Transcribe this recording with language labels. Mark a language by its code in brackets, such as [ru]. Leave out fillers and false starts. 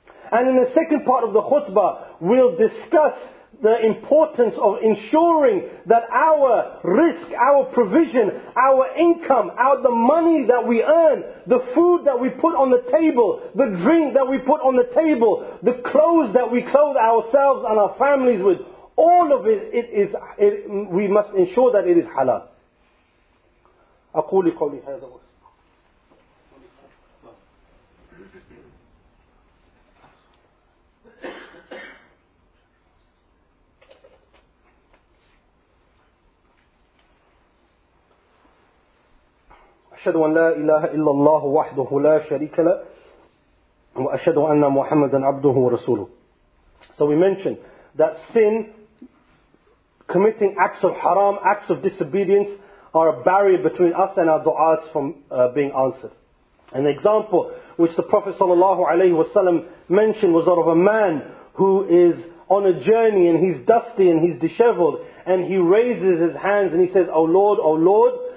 [en] And in the second part of the khutbah, we'll discuss the importance of ensuring that our risk, our provision, our income, the money that we earn, the food that we put on the table, the drink that we put on the table, the clothes that we clothe ourselves and our families with, all of it, we must ensure that it is halal. [ar] أقولي قولي هذا أشهد أن لا إله إلا الله وحده لا شريك له وأشهد أن محمدا عبده ورسوله. [en] So we mentioned that sin, committing acts of haram, acts of disobedience, are a barrier between us and our du'as from being answered. An example which the Prophet ﷺ mentioned was that of a man who is on a journey and he's dusty and he's disheveled and he raises his hands and he says, O Lord, O Lord.